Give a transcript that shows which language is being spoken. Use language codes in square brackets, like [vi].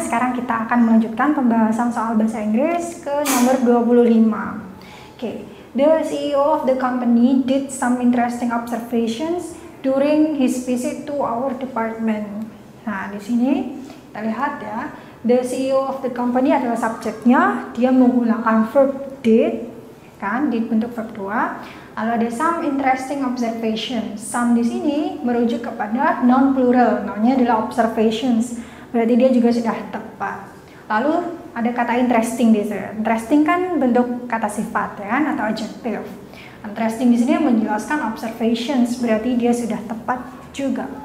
[id] Sekarang kita akan melanjutkan pembahasan soal bahasa Inggris ke nomor 25. Oke, okay. [en] The CEO of the company did some interesting observations during his visit to our department. [id] Nah, di sini kita lihat ya, [en] the CEO of the company [id] adalah subjeknya, dia menggunakan verb did, kan, did bentuk verb 2. Lalu ada [en] some interesting observations. [id] Some di sini merujuk kepada non plural, namanya adalah observations. Berarti dia juga sudah tepat. Lalu ada kata interesting di sini. Interesting kan bentuk kata sifat ya, atau adjective. Interesting di sini menjelaskan observations, berarti dia sudah tepat juga.